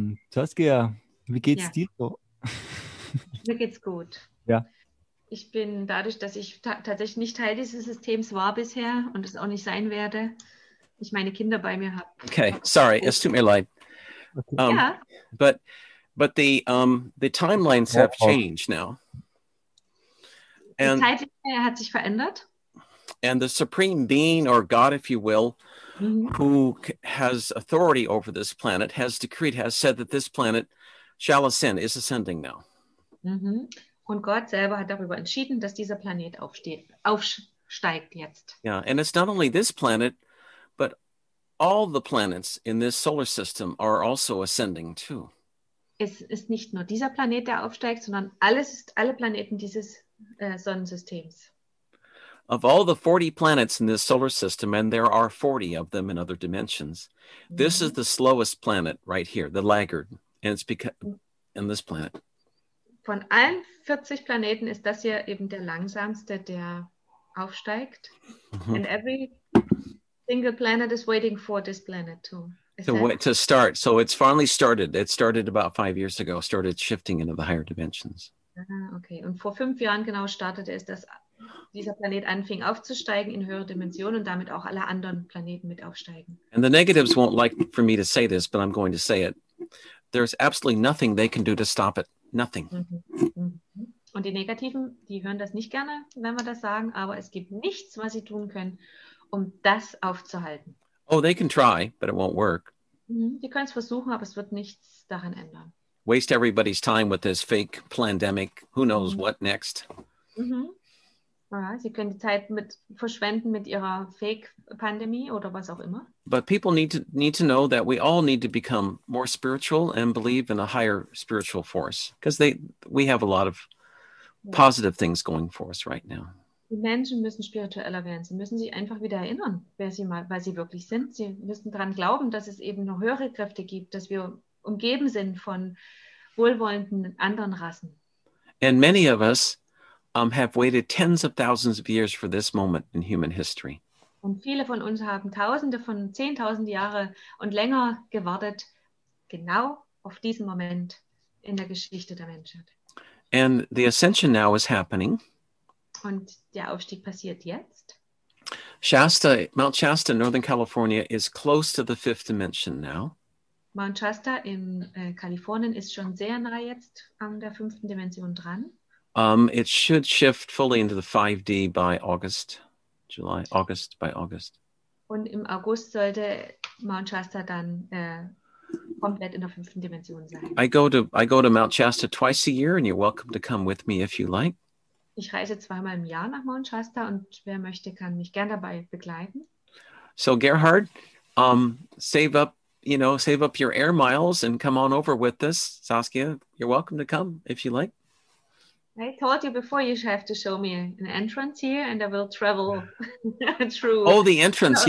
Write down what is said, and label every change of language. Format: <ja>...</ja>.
<de>Saskia, wie geht's dir so? Mir geht's gut. Ja. Ich bin dadurch, dass ich tatsächlich nicht Teil dieses Systems war bisher und es auch nicht sein werde, ich meine Kinder bei mir habe. Okay, sorry, es tut mir leid. Okay.</de> <en>But the timelines have changed now.</en> <de>Die Zeitlinie hat sich verändert.</de> <en>And the supreme being or God, if you will, who has authority over this planet, has decreed, has said that this planet shall ascend, is ascending now. Mm-hmm.</en> <de>Und Gott selber hat darüber entschieden, dass dieser Planet aufsteigt jetzt.</de> <en>Yeah, and it's not only this planet, but all the planets in this solar system are also ascending too.</en> <de>es ist nicht nur dieser Planet, der aufsteigt, sondern alles ist alle Planeten dieses Sonnensystems.</de> <en>Of all the 40 planets in this solar system, and there are 40 of them in other dimensions, this is the slowest planet right here, the laggard, and it's because in this planet.</en> <de>Von allen 40 Planeten ist das hier eben der langsamste, der aufsteigt. Mm-hmm.</de> <en>And every single planet is waiting for this planet too. To start. So it's finally started. It started about 5 years ago, started shifting into the higher dimensions. Okay.</en> <de>Und vor 5 Jahren genau startete es, dass dieser Planet anfing aufzusteigen in höhere Dimensionen und damit auch alle anderen Planeten mit aufsteigen.</de> <en>And the negatives won't like for me to say this, but I'm going to say it. There's absolutely nothing they can do to stop it. Nothing.</en> <de>Und die Negativen, die hören das nicht gerne, wenn wir das sagen, aber es gibt nichts, was sie tun können, um das aufzuhalten.</de> <en>Oh, they can try, but it won't work.</en> <de>Die können es versuchen, aber es wird nichts daran ändern.</de> <en>Waste everybody's time with this fake pandemic. Who knows what next?</en> <de>Ja, sie können die Zeit mit verschwenden mit ihrer Fake-Pandemie oder was auch immer.</de> <en>But people need to know that we all need to become more spiritual and believe in a higher spiritual force. Because we have a lot of positive things going for us right now.</en> <de>Die Menschen müssen spiritueller werden. Sie müssen sich einfach wieder erinnern, wer sie wirklich sind. Sie müssen daran glauben, dass es eben noch höhere Kräfte gibt, dass wir umgeben sind von wohlwollenden anderen Rassen.</de> <en>And many of us have waited tens of thousands of years for this moment in human history.</en> <de>Und viele von uns haben Tausende von Zehntausend Jahre und länger gewartet, genau auf diesen Moment in der Geschichte der Menschheit.</de> <en>And the ascension now is happening.</en> <de>Und der Aufstieg passiert jetzt.</de> <en>Shasta, Mount Shasta, Northern California, is close to the fifth dimension now.</en> <de>Mount Shasta in Kalifornien ist schon sehr nah jetzt an der fünften Dimension dran.</de> <en>It should shift fully into the 5D by August, July, August, by August.</en> <de>Und im August sollte Mount Shasta dann komplett in der fünften Dimension sein.</de> <en>I go to Mount Shasta twice a year, and you're welcome to come with me if you like.</en> <de>Ich reise zweimal im Jahr nach Mount Shasta, und wer möchte, kann mich gern dabei begleiten.</de> <en>So Gerhard, save up your air miles and come on over with us. Saskia, you're welcome to come if you like. I told you before you have to show me an entrance here, and I will travel through. Oh, the entrance.</en>